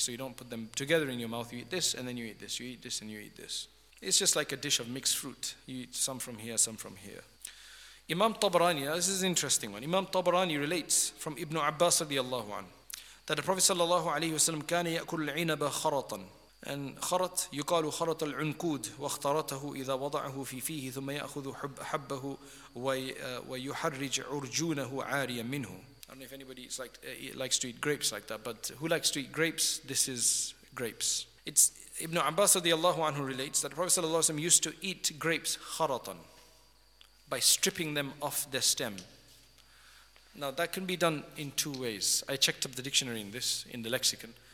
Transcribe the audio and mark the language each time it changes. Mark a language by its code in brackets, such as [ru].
[en] So you don't put them together in your mouth. You eat this and then you eat this. You eat this and you eat this. It's just like a dish of mixed fruit. You eat some from here, some from here. Imam Tabarani, now this is an interesting one. Imam Tabarani relates from Ibn Abbas radiallahu anhu that the Prophet sallallahu alayhi wa sallam [ar] كان يأكل العنب خرطا. [en] And [ar] خرط يقال خرط العنقود واخترته إذا وضعه في فيه ثم يأخذ حبه ويحرج عرجونه عاريا منه. [en] I don't know if anybody likes to eat grapes like that, but who likes to eat grapes? This is grapes. It's Ibn Abbas radiallahu anhu relates that the Prophet sallallahu alayhi wa sallam used to eat grapes خرطا, by stripping them off their stem. Now that can be done in two ways. I checked up the dictionary in this, in the lexicon.